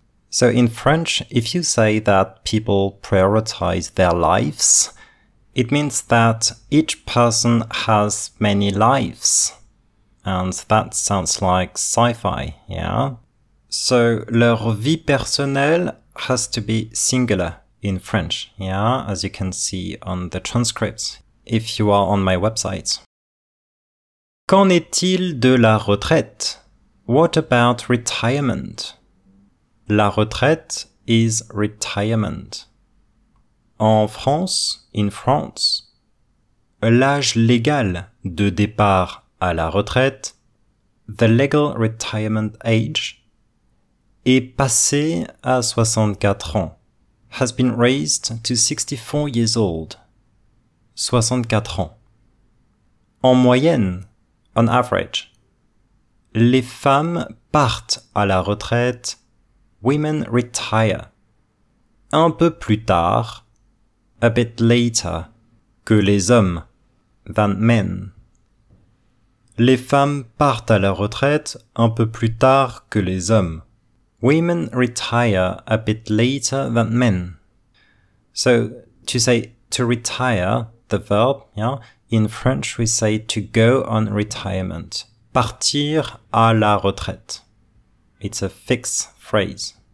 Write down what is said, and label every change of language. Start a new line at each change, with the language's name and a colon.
English: So in French, if you say that people prioritize their lives, it means that each person has many lives, And that sounds like sci-fi, yeah? So,
French: leur vie personnelle
English: has to be singular in French, yeah? As you can see on the transcripts, if you are on my website.
French: Qu'en est-il de la retraite?
English: What about retirement? La retraite is retirement.
French: En France,
English: in France,
French: l'âge légal de départ à la retraite,
English: the legal retirement age,
French: est passé à 64 ans,
English: has been raised to 64 years old.
French: 64 ans. En moyenne,
English: on average,
French: les femmes partent à la retraite,
English: women retire,
French: un peu plus tard,
English: a bit later,
French: que les hommes,
English: than men.
French: Les femmes partent à la retraite un peu plus tard que les hommes.
English: Women retire a bit later than men. So, to say to retire, the verb, yeah, in French we say to go on retirement.
French: Partir à la retraite.
English: It's a fixed phrase.